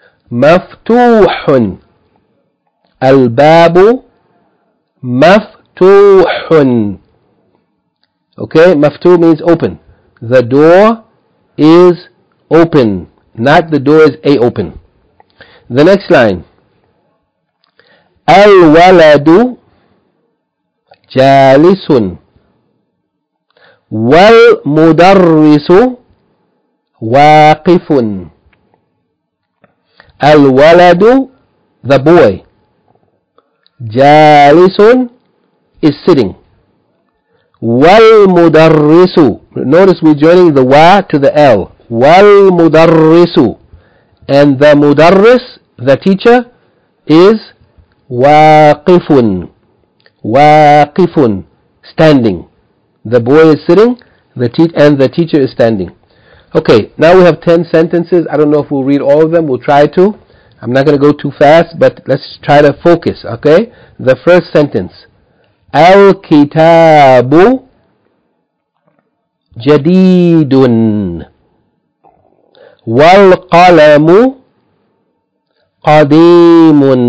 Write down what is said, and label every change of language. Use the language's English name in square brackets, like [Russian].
[Arabic] مفتوح الباب مفتوح [English] okay مفتوح means open the door is open not the door is a open the next line [Arabic] الولد جالس والمدرس واقف الولد [English] the boy [Arabic] جالس [English] is sitting [Arabic] والمدرس [English] notice we're joining the wa to the l [Arabic] والمدرس [English] and the مدرس the teacher is [Arabic] واقف [English] واقف standing the boy is sitting and the teacher is standing okay now we have 10 sentences I don't know if we'll read all of them we'll try to I'm not going to go too fast but let's try to focus okay the first sentence [Arabic] الكتاب جديد والقلم قديم